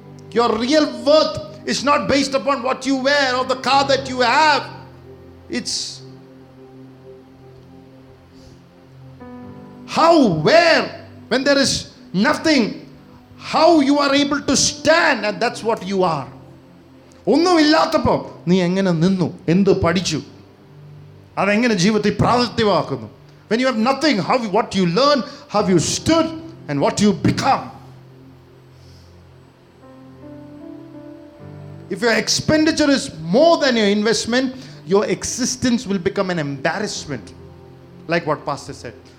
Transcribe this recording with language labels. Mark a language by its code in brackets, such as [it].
[en] Your real worth is not based upon what you wear or the car that you have. It's how, where, when there is nothing, how you are able to stand, and that's what you are. [ml] ഒന്നും ഇല്ലാത്തപ്പോൾ നീ എങ്ങനെ നിന്നു, എന്ത് പഠിച്ചു, അതെങ്ങനെ ജീവിതത്തിൽ പ്രാതിനിധ്യമാക്കുന്നു. [en] When you have nothing, how, what you learn, have you stood, and what you become. If your expenditure is more than your investment, your existence will become an embarrassment. Like what Pastor said.